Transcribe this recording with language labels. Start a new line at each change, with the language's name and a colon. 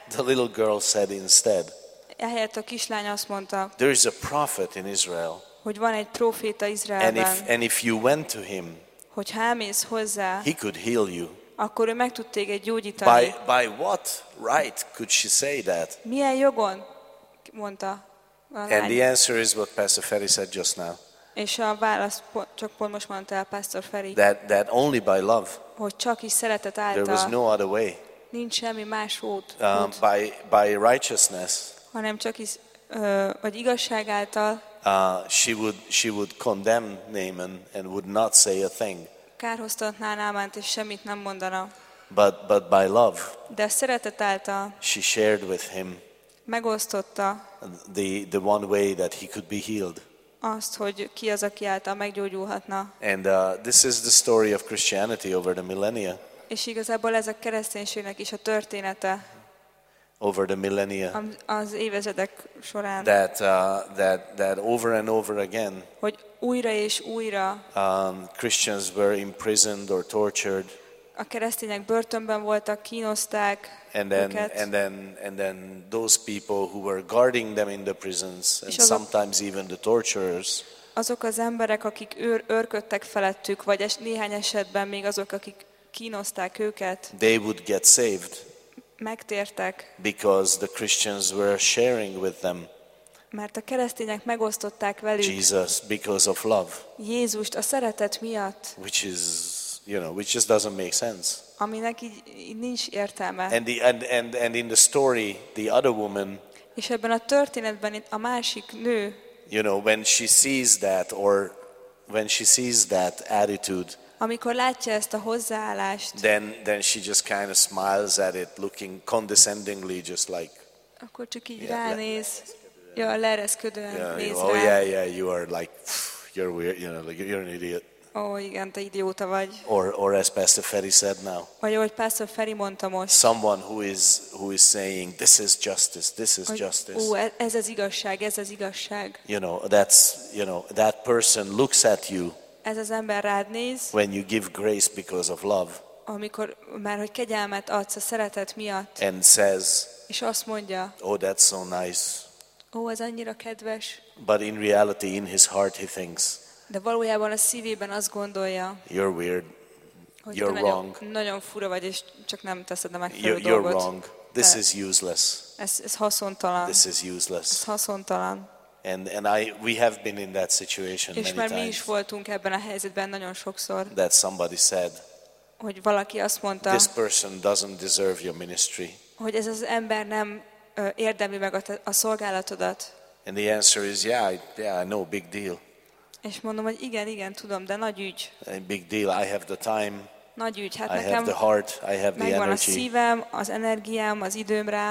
English: the little girl said instead.
Hungarian: Ehelyett a kislány azt mondta.
English: There is a prophet in Israel.
Hungarian: Hogy van egy proféta Izraelben.
English: And if you went to him.
Hungarian: Hogyha elmész hozzá.
English: He could heal you.
Hungarian: Akkor ő meg tud téged gyógyítani.
English: By what right could she say that?
Hungarian: Milyen jogon mondta?
English: And the answer is what Pastor Ferry said just now.
Hungarian: És a válasz csak pont most mondta el Pastor Ferry.
English: That only by love.
Hungarian: Hogy csak is szeretet által.
English: There was no other way.
Hungarian: Nincs semmi más út.
English: By righteousness.
Hungarian: Hanem csak is vagy igazság által.
English: She would condemn Naaman and would not say a thing.
Hungarian: Kárhoztatná Naamant és semmit nem mondana.
English: But by love.
Hungarian: De szeretet által.
English: She shared with him.
Hungarian: Megosztotta.
English: The one way that he could be healed.
Hungarian: azt, hogy ki az, aki által meggyógyulhatna.
English: And this is the story of Christianity over the millennia.
Hungarian: És igazából ez a kereszténységnek is a története.
English: Over the millennia.
Hungarian: Az évezredek során.
English: That over and over again.
Hungarian: Hogy újra és újra.
English: Christians were imprisoned or tortured.
Hungarian: A keresztények börtönben voltak, kínozták
English: and then those people who were guarding them in the prisons and azok, sometimes even the torturers.
Hungarian: Azok az emberek, akik őrködtek felettük, vagy néhány esetben még azok, akik kínozták őket.
English: They would get saved.
Hungarian: Megtértek.
English: Because the Christians were sharing with them.
Hungarian: Mert a keresztények megosztották velük.
English: Jesus, because of love.
Hungarian: Jézust a szeretet miatt.
English: Which just doesn't make sense.
Hungarian: Aminek így nincs értelme.
English: And in the story, the other woman.
Hungarian: És ebben a történetben a másik nő.
English: You know, when she sees that, or when she sees that attitude.
Hungarian: Amikor látja ezt a hozzáállást.
English: Then she just kind of smiles at it, looking condescendingly, just like.
Hungarian: Akkor csak így ránéz. Yeah, leereszkedően néz rá.
English: Oh yeah, you are like, you're weird, you know, like you're an idiot.
Hungarian: Oh, igen, te idióta vagy.
English: Or as Pastor Ferry said now.
Hungarian: Vagy ahogy Pastor Ferry mondta most.
English: Someone who is saying this is justice, this is justice.
Hungarian: Ó, ez az igazság, ez az igazság.
English: You know, that person looks at you.
Hungarian: Ez az ember rád néz.
English: When you give grace because of love.
Hungarian: Amikor már hogy kegyelmet adsz a szeretet miatt.
English: And says.
Hungarian: És azt mondja.
English: Oh, that's so nice.
Hungarian: Ó, ez annyira kedves.
English: But in reality, in his heart, he thinks.
Hungarian: De valójában a szívében azt gondolja.
English: You're weird. You're
Hungarian: nagyon,
English: wrong.
Hungarian: Nagyon fura vagy, és csak nem teszed a megfelelő
English: dolgot. You're wrong. This is useless.
Hungarian: Ez haszontalan.
English: This is useless.
Hungarian: Ez haszontalan.
English: And we have been in that situation many times.
Hungarian: És mi is voltunk ebben a helyzetben nagyon sokszor.
English: That somebody said.
Hungarian: Hogy valaki azt mondta.
English: This person doesn't deserve your ministry.
Hungarian: Hogy ez az ember nem érdemli meg a szolgálatodat.
English: And the answer is yeah, no big deal.
Hungarian: És mondom, hogy igen, tudom, de nagy ügy.
English: A big deal, I have the time.
Hungarian: Nagy ügy, hát
English: I
Hungarian: nekem
English: have the heart, I have the
Hungarian: megvan
English: energy.
Hungarian: A szívem, az energiám, az időm rá.